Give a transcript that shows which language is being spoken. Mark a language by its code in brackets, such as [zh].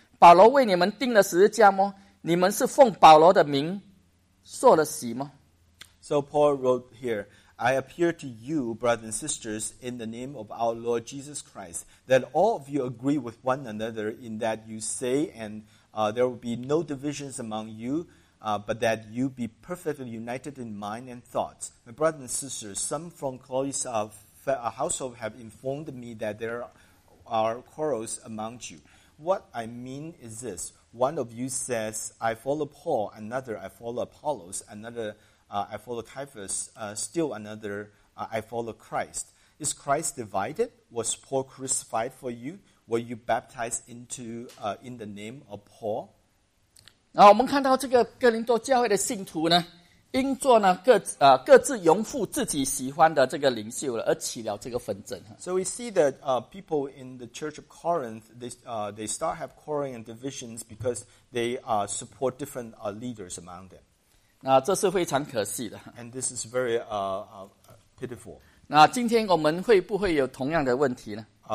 [zh] 保罗为你们钉了十字架吗？你们是奉保罗的名受了洗吗？ [en] So Paul wrote here, I appeal to you, brothers and sisters, in the name of our Lord Jesus Christ, that all of you agree with one another in that you say, and there will be no divisions among you, but that you be perfectly united in mind and thoughts. My brothers and sisters, some from Chloe's household have informed me that there are quarrels among you. What I mean is this, one of you says, I follow Paul, another I follow Apollos, another I follow Caiaphas, still another, I follow Christ. Is Christ divided? Was Paul crucified for you? Were you baptized into, in the name of Paul? [zh] 那我们看到这个哥林多教会的信徒呢，因着呢各自拥护自己喜欢的这个领袖了，而起了这个纷争。 [en] So we see that people in the Church of Corinth, they start have quarreling and divisions because they support different leaders among them. [zh] 那这是非常可惜的。 [en] And this is very pitiful. [zh] 那今天我们会不会有同样的问题呢？